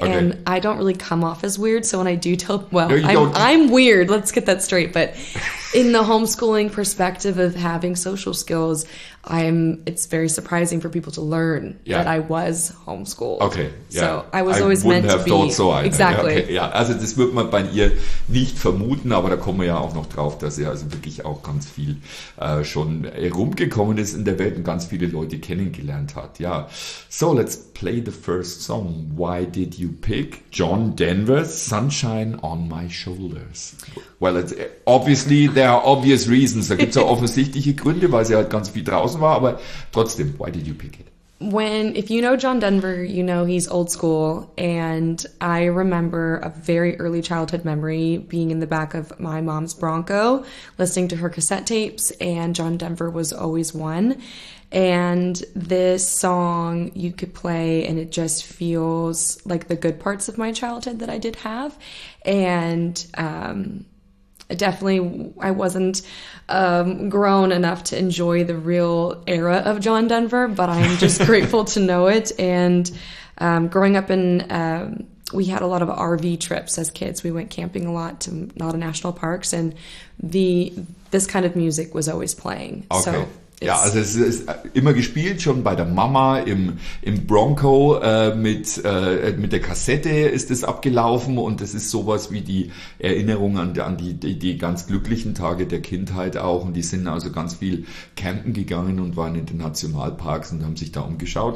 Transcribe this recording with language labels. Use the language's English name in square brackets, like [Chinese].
[English] and I don't really come off as weird. So when I do tell, well, no, I'm weird. Let's get that straight. But in the homeschooling perspective of having social skills, it's very surprising for people to learn that I was homeschooled. Okay. Yeah. So I was always meant to be. I wouldn't have thought so either. Exactly. Okay. [German] Ja, also das wird man bei ihr nicht vermuten, aber da kommen wir ja auch noch drauf, dass sie also wirklich auch ganz viel schon herumgekommen ist in der Welt und ganz viele Leute kennengelernt hat. Ja. [English] So, let's play the first song. Why did you pick John Denver's Sunshine on My Shoulders? Well, it's obviously, there are obvious reasons. [German] Da gibt's auch offensichtliche Gründe, weil sie halt ganz viel draußen war, aber trotzdem, [English] why did you pick it? If you know John Denver, you know he's old school, and I remember a very early childhood memory being in the back of my mom's Bronco, listening to her cassette tapes, and John Denver was always one. And this song you could play and it just feels like the good parts of my childhood that I did have. And definitely I wasn't grown enough to enjoy the real era of John Denver, but I'm just grateful to know it. And growing up in, we had a lot of RV trips as kids. We went camping a lot to a lot of national parks, and this kind of music was always playing. Okay. [German] So, ja, also es ist immer gespielt, schon bei der Mama im Bronco mit der Kassette ist es abgelaufen und das ist sowas wie die Erinnerung an die ganz glücklichen Tage der Kindheit auch. Und die sind also ganz viel campen gegangen und waren in den Nationalparks und haben sich da umgeschaut.